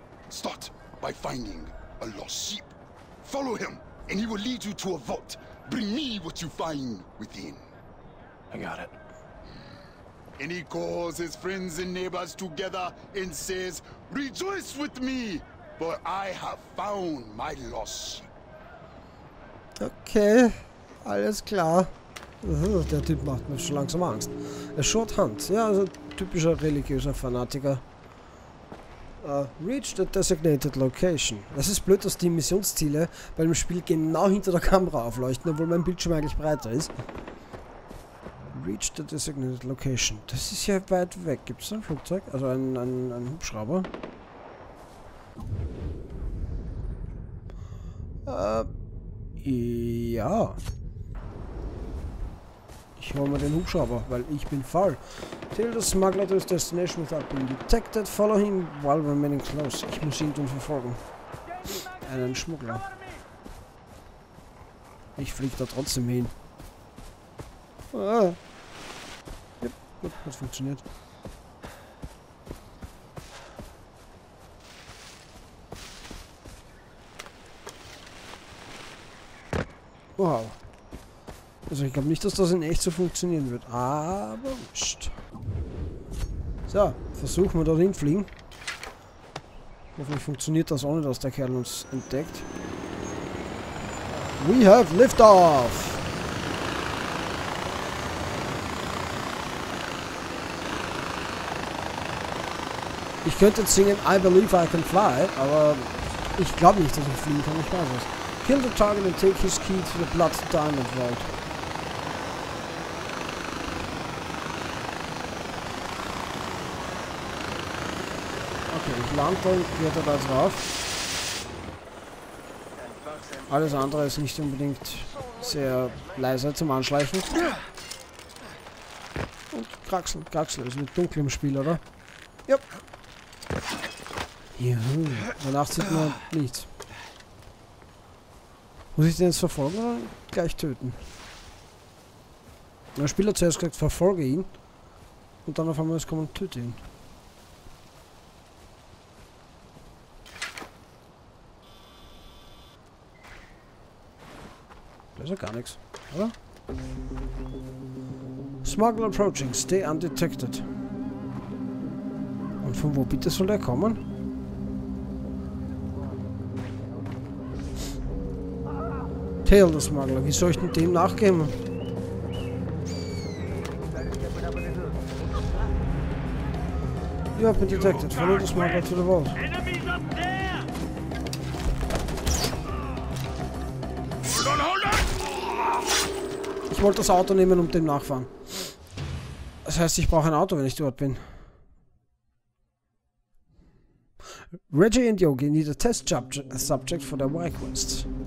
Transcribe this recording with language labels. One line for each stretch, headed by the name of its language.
English: Start by finding a lost sheep. Follow him, and he will lead you to a vault. Bring me what you find within. I got it. And he calls his friends and neighbors together and says, rejoice with me, for I have found my lost sheep.
German: Okay, alles klar. Der Typ macht mir schon langsam Angst.
English: A short hunt,
German: ja, also typischer religiöser Fanatiker.
English: Reach the designated location.
German: Das ist blöd, dass die Missionsziele bei dem Spiel genau hinter der Kamera aufleuchten, obwohl mein Bildschirm eigentlich breiter ist.
English: Reach the designated location.
German: Das ist ja weit weg. Gibt es ein Flugzeug? Also ein Hubschrauber? Ja. Ich hole mal den Hubschrauber, weil ich bin faul.
English: Till the smuggler to his destination without being detected. Follow him while remaining close.
German: Ich muss ihn dann verfolgen. Einen Schmuggler. Ich fliege da trotzdem hin. Das funktioniert. Wow. Also ich glaube nicht, dass das in echt so funktionieren wird. Aber wurscht. So, versuchen wir da hinfliegen. Hoffentlich funktioniert das ohne, dass der Kerl uns entdeckt.
English: We have liftoff!
German: Ich könnte singen,
English: I believe I can fly,
German: aber ich glaube nicht, dass ich fliegen kann, ich weiß es.
English: Kill the target and take his key to the Blood Diamond Vault.
German: Okay, ich lande und geht da drauf. Alles andere ist nicht unbedingt sehr leise zum Anschleichen. Und kraxeln, kraxeln, ist mit dunkel im Spiel, oder? Yep. Juhu, danach sieht man nichts. Muss ich den jetzt verfolgen oder gleich töten? Der Spieler zuerst gesagt, verfolge ihn. Und dann auf einmal ist kommen und töte ihn. Da ist ja gar nichts, oder?
English: Smuggler approaching, stay undetected.
German: Und von wo bitte soll der kommen?
English: Tail the Smuggler,
German: wie soll ich denn dem nachgehen?
English: You have been detected, follow the Smuggler to the vault.
German: Ich wollte das Auto nehmen und dem nachfahren. Das heißt, ich brauche ein Auto, wenn ich dort bin.
English: Reggie and Yogi need a test subject for their Y quest.